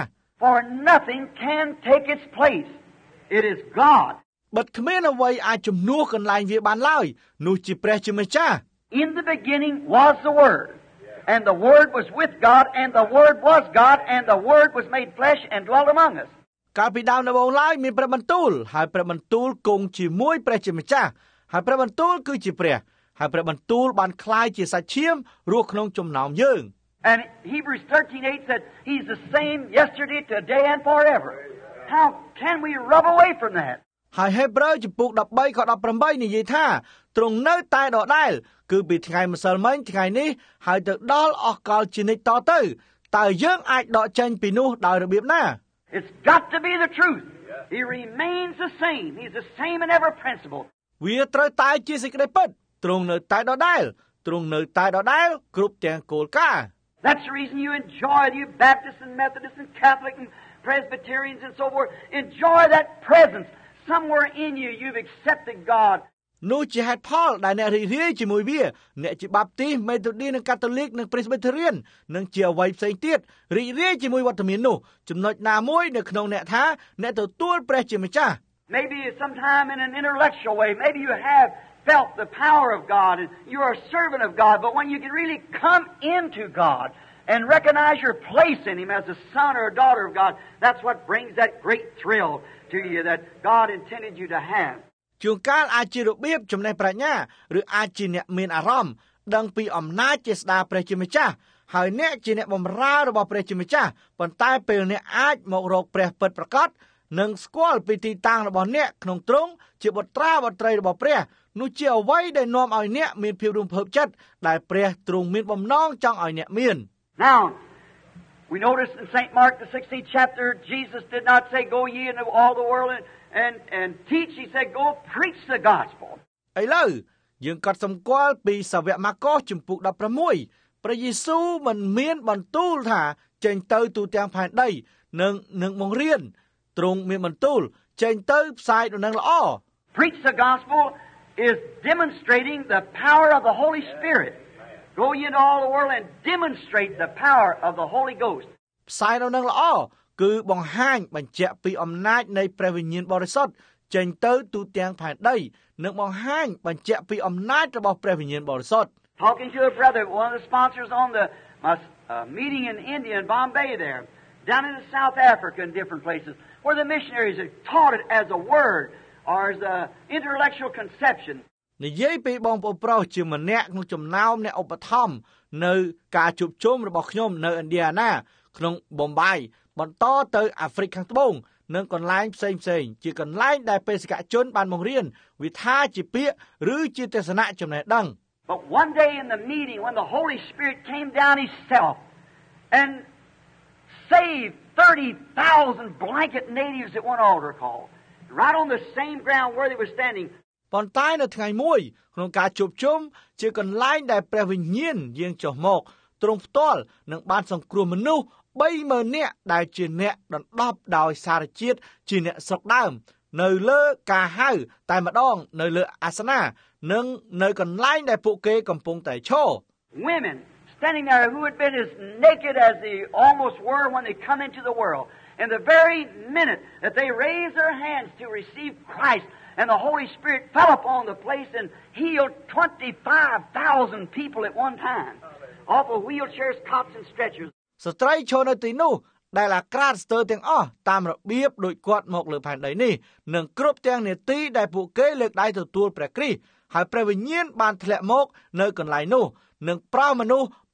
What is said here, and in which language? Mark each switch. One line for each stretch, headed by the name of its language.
English: For nothing can take its place it is God But
Khmer: គ្មានអ្វីអាចជំនួសកន្លែងវាបានឡើយនោះជាព្រះជាម្ចាស់
English: In the beginning was the word and the word was with God and the word was God and the word was made flesh and dwelt among us
Khmer: កាលពីដើមនៅឡើយមានព្រះបន្ទូលហើយព្រះបន្ទូលគង់ជាមួយព្រះជាម្ចាស់ហើយព្រះបន្ទូលគឺជាព្រះហើយព្រះបន្ទូលបានក្លាយជាសាច់ឈាមរស់ក្នុងចំណោមយើង
English: And Hebrews 13:8 said he's the same yesterday today and forever How can we rub away from that
Khmer: ហើយហេប្រឺជំពូក13ខ18និយាយថាទ្រង់នៅតែដដែលគឺពីថ្ងៃម្សិលមិញថ្ងៃនេះហើយទៅដល់អស់កលជានិច្ចតទៅតើយើងអាចដកចេញពីនោះដោយរបៀបណា
English: It's got to be the truth. He remains the same. He's the same in every principle.
Khmer: វាត្រូវតែជាសេចក្តីពិតទ្រង់នៅតែដដែលទ្រង់នៅតែដដែលគ្រប់ទាំងគោលការណ៍
English: That's the reason you enjoy the Baptists and Methodists and Catholics and Presbyterians and so forth. Enjoy that presence somewhere in you you've accepted God.
Khmer: នោះជាហេតុផលដែលអ្នករីករាយជាមួយវាអ្នកជាបាបទីសមេទូឌីសនិងកាតូលិកនិង Presbyterian និងជាអ្វីផ្សេងទៀតរីករាយជាមួយវត្តមាននោះចំណុចណាមួយនៅក្នុងអ្នកថាអ្នកទទួលព្រះជាម្ចាស់
English: Maybe sometime in an intellectual way maybe you have felt the power of God and you are a servant of God but when you can really come into God and recognize your place in him as a son or a daughter of God that's what brings that great thrill to you that God intended you to have
Khmer: ជួនកាលអាចជារបៀបចំណេះប្រាជ្ញាឬអាចជាអ្នកមានអារម្មណ៍ដឹងពីអំណាចជាស្ដាព្រះជាម្ចាស់ហើយអ្នកជាអ្នកបម្រើរបស់ព្រះជាម្ចាស់ប៉ុន្តែពេលអ្នកអាចមករកព្រះពិតប្រាកដនិងស្គាល់ពីទីតាំងរបស់អ្នកក្នុងទ្រង់ជាបុត្រាបុត្រីរបស់ព្រះនោះជាអ្វីដែលនាំឲ្យអ្នកមានភាពរំភើបចិត្តដែលព្រះទ្រង់មានបំណងចង់ឲ្យអ្នកមាន
English: Now we notice in St. Mark the 16th chapter Jesus did not say go ye into all the world and teach he said go preach the gospel
Khmer: ឥឡូវយើងកត់សម្គាល់ពីសាវកម៉ាកុសជំពូក16 ព្រះយេស៊ូវមិនមានបន្ទូលថាចេញទៅទូទាំងផែនដីនឹងបង្រៀនទ្រង់មានបន្ទូលចេញទៅផ្សាយដំណឹងល្អ
English: Preach the gospel is demonstrating the power of the Holy Spirit. Go ye into all the world and demonstrate the power of the Holy Ghost.
Khmer: ផ្សាយដំណឹងល្អគឺបង្ហាញបញ្ជាក់ពីអំណាចនៃព្រះវិញ្ញាណបរិសុទ្ធចេញទៅទូទាំងផែនដីនឹងបង្ហាញបញ្ជាក់ពីអំណាចរបស់ព្រះវិញ្ញាណបរិសុទ្ធ
English: Talking to a brother, one of the sponsors on the meeting in India, in Bombay there, down in South Africa in different places, where the missionaries had taught it as a word or as an intellectual conception.
Khmer: និយាយពីបងប្អូនប្រុសជាម្នាក់ក្នុងចំណោមអ្នកឧបត្ថម្ភនៅការជួបជុំរបស់ខ្ញុំនៅឥណ្ឌាណាក្នុងបំបីបន្តទៅអាហ្វ្រិកខាងត្បូងនិងកន្លែងផ្សេងៗជាកន្លែងដែលបេសកជនបានបង្រៀនវិថាជាពាក្យឬជាទស្សនៈចំណេះដឹង
English: But one day in the meeting when the Holy Spirit came down himself and saved 30,000 blanket natives at one altar call right on the same ground where they were standing
Khmer: ប៉ុន្តែនៅថ្ងៃមួយក្នុងការជួបជុំជាកន្លែងដែលព្រះវិញ្ញាណយាងចុះមកទ្រង់ផ្ទាល់នឹងបានសង្គ្រោះមនុស្ស30,000នាក់ដែលជាអ្នកដណ្ដប់ដោយសារជាតិជាអ្នកស្រុកដើមនៅលើការហៅតែម្ដងនៅលើអាសនានិងនៅកន្លែងដែលពួកគេកំពុងតែឈរ
English: Women standing there who had been as naked as they almost were when they come into the world and the very minute that they raised their hands to receive Christ and the Holy Spirit fell upon the place and healed 25,000 people at one time off of wheelchairs, cots and stretchers
Khmer: ស្ត្រីឈរនៅទីនោះដែលអាក្រាតស្ទើរទាំងអស់តាមរបៀបដូចគាត់មកលើផែនដីនេះនឹងគ្រប់ទាំងនេតិដែលពួកគេលើកដៃទទួលព្រះគ្រីស្ទហើយព្រះវិញ្ញាណបានធ្លាក់មកនៅកន្លែងនោះនឹងប្រោសមនុស្ស